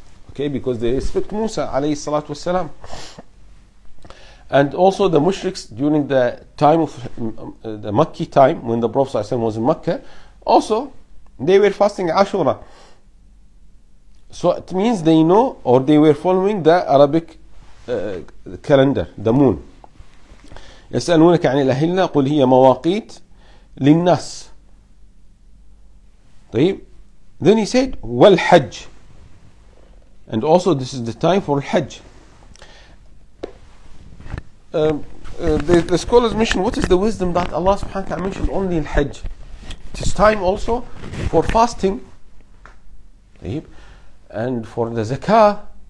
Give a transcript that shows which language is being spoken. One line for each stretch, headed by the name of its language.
English: Okay, because they respect Musa عليه الصلاة والسلام. And also the Mushriks during the time of the Makki time, when the Prophet ﷺ was in Mecca, also they were fasting Ashura. So it means they know, or they were following the Arabic calendar, the moon.
Arabic: يسألونك عن الأهلة قل هي مواقيت للناس. طيب.
English: Then he said والحج. And also this is the time for الحج. The scholars mentioned, what is the wisdom that Allah subhanahu wa ta'ala mentioned only in Hajj? It is time also for fasting, and for the zakah.